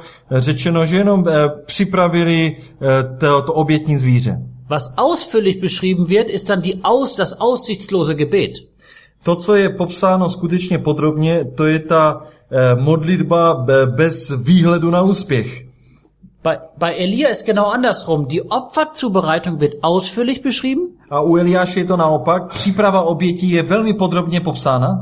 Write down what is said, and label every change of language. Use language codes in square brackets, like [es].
[cs] řečeno, že jenom připravili to obětní zvíře. [de] Was ausführlich beschrieben wird, ist dann das aussichtslose Gebet. [cs] To, co je popsáno skutečně podrobně, to je ta modlitba bez výhledu na úspěch. [de] Bei Elia ist genau andersrum. Die Opferzubereitung wird ausführlich beschrieben. [cs] A u Eliáše je to naopak. Příprava obětí je velmi podrobně popsána.